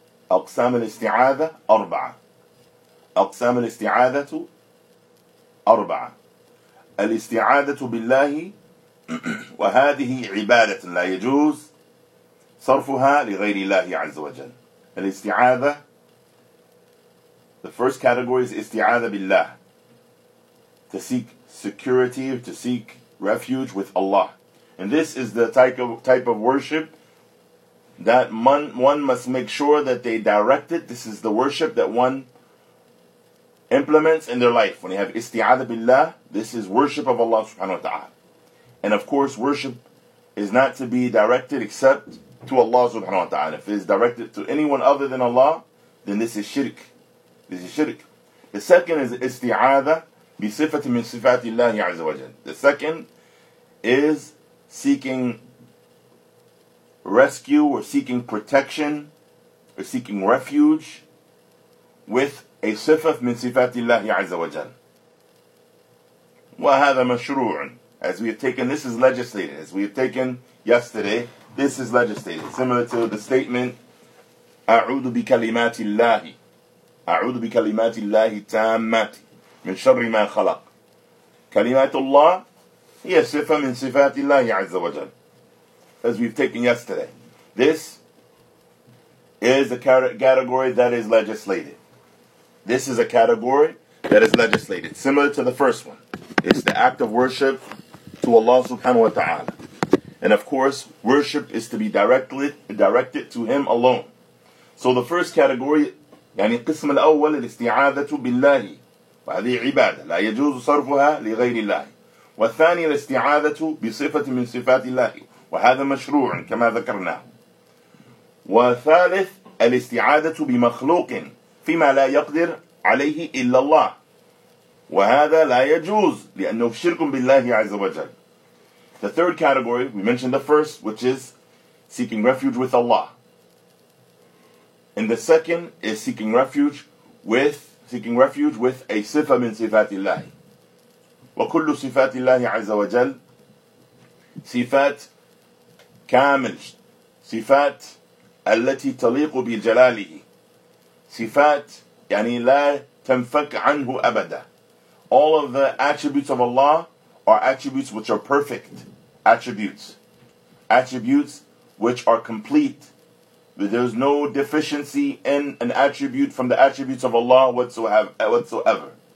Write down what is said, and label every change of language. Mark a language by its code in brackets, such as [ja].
[ar] أقسام الاستعاذة أربعة. أقسام الاستعاذة أربعة. الاستعادة بالله وهذه عبادة لا يجوز صرفها لغير الله عز وجل. [en] الاستعادة, the first category is استعادة بالله, to seek security, to seek refuge with Allah. And this is the type of worship that one must make sure that they direct it. This is the worship that one implements in their life. When you have isti'adha billah, this is worship of Allah subhanahu wa ta'ala. And of course, worship is not to be directed except to Allah subhanahu wa ta'ala. If it is directed to anyone other than Allah, then this is shirk. This is shirk. The second is [ar] isti'adha bi sifati min sifati Allah azza wa jalla. [en] The second is seeking rescue or seeking protection or seeking refuge with a [ar] sifat min sifat Allah azza wa jal. وَهَذَا مَشْرُوعٌ. [en] As we have taken, this is legislated. As we have taken yesterday, this is legislated. Similar to the statement, [ar] أَعُوذُ بِكَلِمَاتِ اللَّهِ أَعُوذُ بِكَلِمَاتِ اللَّهِ تَامَّاتِ مِنْ شَرِّ مَا خَلَقٍ. كلمات الله هي صفة من صفات الله عز وجل. [en] As we've taken yesterday, this is a category that is legislated. This is a category that is legislated, similar to the first one. It's the act of worship to Allah subhanahu wa ta'ala. And of course, worship is to be directed to Him alone. So the first category, [ar] يعني قسم الأول الاستعاذة بالله وهذه عبادة لا يجوز صرفها لغير الله. والثاني الاستعاذة بصفة من صفات الله وهذا مشروع كما ذكرناه. وثالث الاستعاذة بمخلوق فيما لا يقدر عليه إلا الله وهذا لا يجوز لأنه شرك بالله عز وجل. [en] The third category, we mentioned the first, which is seeking refuge with Allah. And the second is seeking refuge with a [ar] صفة من صفات الله. وكل صفات الله عز وجل صفات كامل, صفات التي تليق بجلاله, صفات يعني لا تنفك عنه أبدا. [en] All of the attributes of Allah are attributes which are perfect attributes, attributes which are complete. There is no deficiency in an attribute from the attributes of Allah whatsoever.